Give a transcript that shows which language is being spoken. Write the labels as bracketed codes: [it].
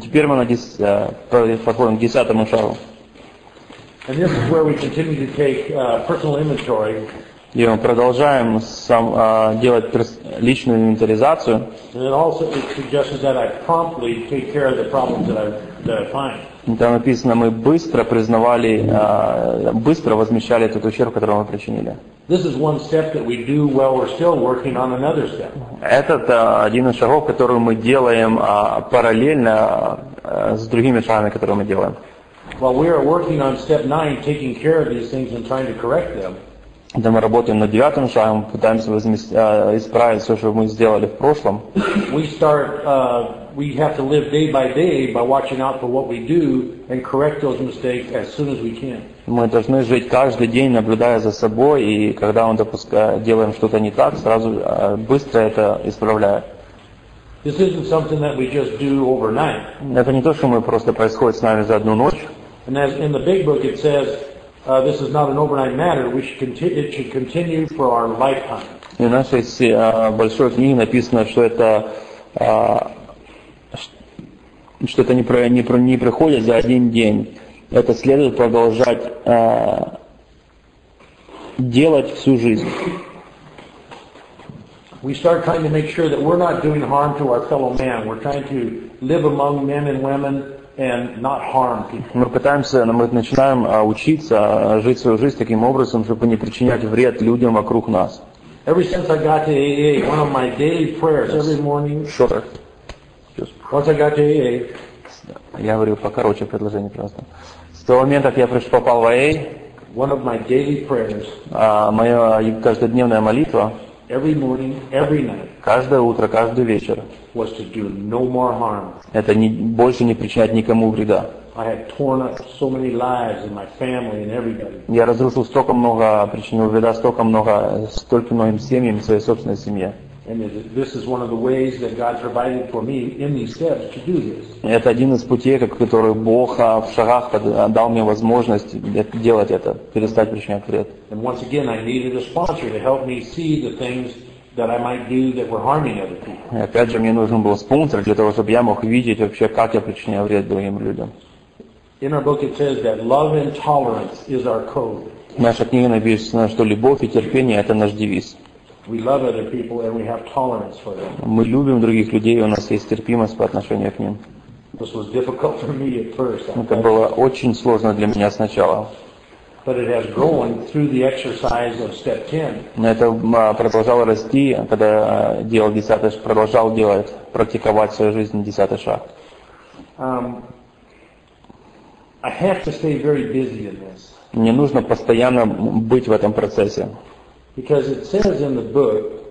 [ru] Теперь мы подходим к десятому шагу. [en] And this is where we continue to take personal inventory. [ru] И мы продолжаем делать личную инвентаризацию. [en] And it also suggests that I promptly take care of the problems that I find. [ru] Там написано, мы быстро признавали, быстро возмещали тот ущерб, который мы причинили. [en] This is one step that we do while we're still working on another step. [ru] Этот один из шагов, который мы делаем параллельно с другими шагами, которые мы делаем. [en] While we are working on step 9, taking care of these things and trying to correct them. [ru] Когда мы работаем над девятым шагом, пытаемся исправить все, что мы сделали в прошлом. [en] We start, we have to live day by day by watching out for what we do and correct those mistakes as soon as we can. [ru] Мы должны жить каждый день, наблюдая за собой, и когда мы делаем что-то не так, сразу быстро это исправляя. [en] This isn't something that we just do overnight. [ru] Это не то, что мы просто происходит с нами за одну ночь. [en] And as in the big book it says, this is not an overnight matter. We should continue. It should continue for our lifetime. [ru] И в нашей большой книге написано, что это не приходит за один день. Это следует продолжать делать всю жизнь. [en] We start trying to make sure that we're not doing harm to our fellow man. We're trying to live among men and women and not harm people. [ru] Мы начинаем учиться жить свою жизнь таким образом, чтобы не причинять вред людям вокруг нас. [en] Ever since I got to AA, one of my daily prayers every morning. Shorter. Once I got to AA. [ru] Я говорю покороче предложение, пожалуйста. С того момента, как я попал в AA. [en] One of my daily prayers. [ru] Моя каждодневная молитва. [en] Every morning, every night. [ru] Каждое утро, каждый вечер. [en] Was to do no more harm. [ru] Это больше не причинять никому вреда. [en] I had torn up so many lives in my family and everybody. [ru] Я разрушил причинил вреда столько многим семьям, своей собственной семье. [en] And this is one of the ways that God provided for me in these steps to do this. [ru] Это один из путей, который Бог в шагах дал мне возможность делать это, перестать причинять вред. [en] And once again, I needed a sponsor to help me see the things that I might do that were harming other people. [ru] И опять же, мне нужен был спонсор для того, чтобы я мог видеть вообще, как я причиняю вред другим людям. [en] In our book, it says that love and tolerance is our code. [ru] В нашей книге написано, что любовь и терпение — это наш девиз. [en] We love other people and we have tolerance for them. [ru] Мы любим других людей, у нас есть терпимость по отношению к ним. [en] This was difficult for me at first. [ru] Это было очень сложно для меня сначала. [en] but it has grown through the exercise of step 10. [ru] Это продолжало расти, когда делал десятый шаг, продолжал делать, практиковать в своей жизни десятый шаг. [en] I have to stay very busy in this. [ru] Мне нужно постоянно быть в этом процессе. [en] Because it says in the book.